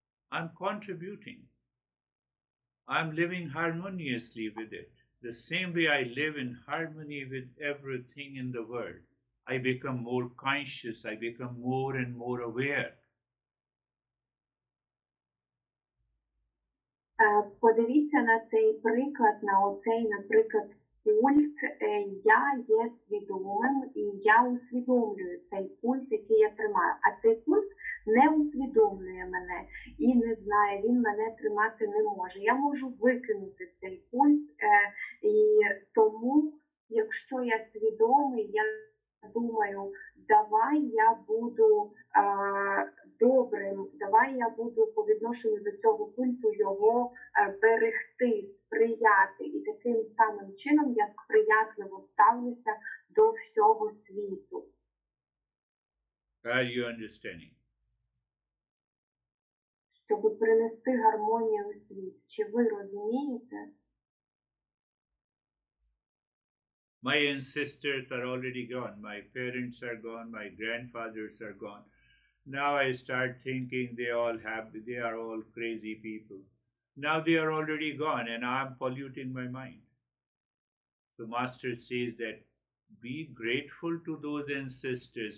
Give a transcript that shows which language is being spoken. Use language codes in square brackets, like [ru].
[en] I'm contributing. I'm living harmoniously with it. The same way I live in harmony with everything in the world. I become more conscious. I become more and more aware. [uk] Подивіться на цей приклад, на оцей, наприклад, пульт. Я є свідомим і я усвідомлюю цей пульт, який я тримаю. А цей пульт не усвідомлює мене і не знає, він мене тримати не може. Я можу викинути цей пульт, і тому, якщо я свідомий, я думаю, давай я буду добрим, давай я буду по відношенню до цього пульту його берегти, сприяти. І таким самим чином я сприятливо ставлюся до всього світу. [en] Are you understanding? [uk] Щоб принести гармонію у світ. Чи ви розумієте? [en] My ancestors are already gone. My parents are gone. My grandfathers are gone. Now I start thinking they are all crazy people. Now they are already gone and I'm polluting my mind. So Master says that be grateful to those ancestors.